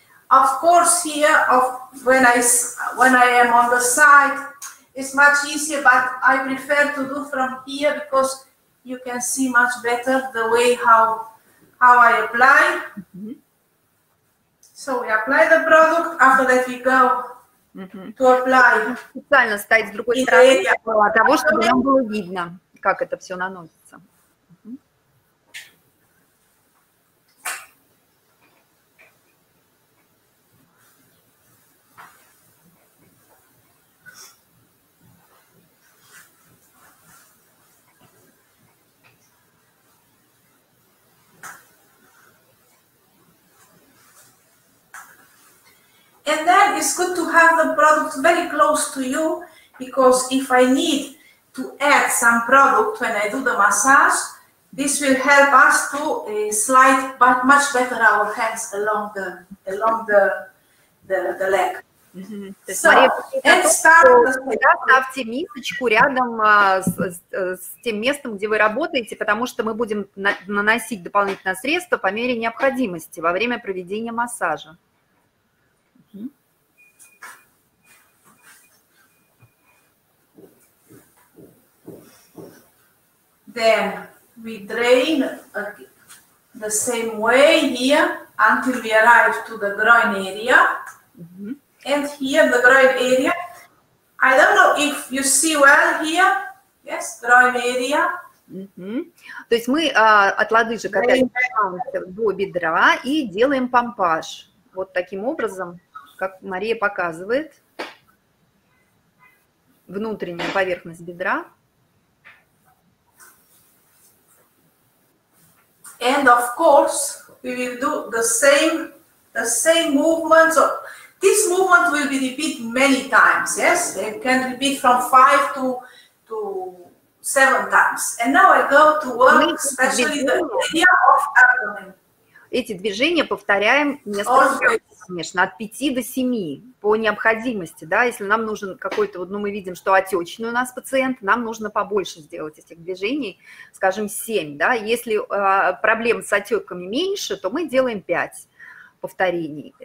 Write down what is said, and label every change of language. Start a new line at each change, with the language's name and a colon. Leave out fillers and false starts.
English: Of course, here, of when I am on the side, it's much easier, but I prefer to do from here because you can see much better the way how I apply. Mm-hmm. So we apply the product, after that we go to apply.
Russian: Специально стоять с другой стороны, для того, чтобы нам было видно, как это все наносится.
English: And then it's good to have the product very close to you, because if I need to add some product when I do the massage, this will help us to slide but much better our hands along the leg.
Russian: Ставьте мисочку рядом с тем местом, где вы работаете, потому что мы будем наносить дополнительное средство по мере необходимости во время проведения массажа.
English: Then we drain the same way here until we arrive to the groin area. Mm-hmm. And here the groin area. I don't know if you see well here. Yes, groin area. Mm-hmm.
Russian: То есть мы от лодыжек отталкиваемся до бедра и делаем помпаж. Вот таким образом, как Мария показывает, внутренняя поверхность бедра.
English: And of course, we will do the same movements. So this movement will be repeated many times. Yes, it can repeat from 5 to 7 times. And now I go to work, especially the area of abdomen.
Russian: Эти движения повторяем несколько раз, конечно, от 5 до 7 по необходимости. Да? Если нам нужен какой-то, вот, ну, мы видим, что отечный у нас пациент, нам нужно побольше сделать этих движений, скажем, 7. Да? Если проблем с отеками меньше, то мы делаем 5 повторений.